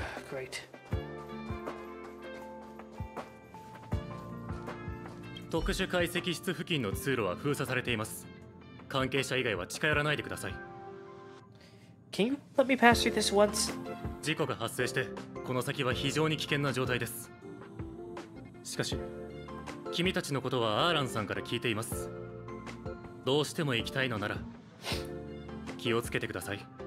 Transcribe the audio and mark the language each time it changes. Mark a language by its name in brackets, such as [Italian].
[English] Great. [Japanese] 特殊解析室付近の通路は封鎖されています。関係者以外は近寄らないでください。 [English] Can you let me pass through this once? [Japanese] 事故が発生して、この先は非常に危険な状態です。しかし、君たちのことはアーランさんから聞いています。どうしても行きたいのなら、気をつけてください。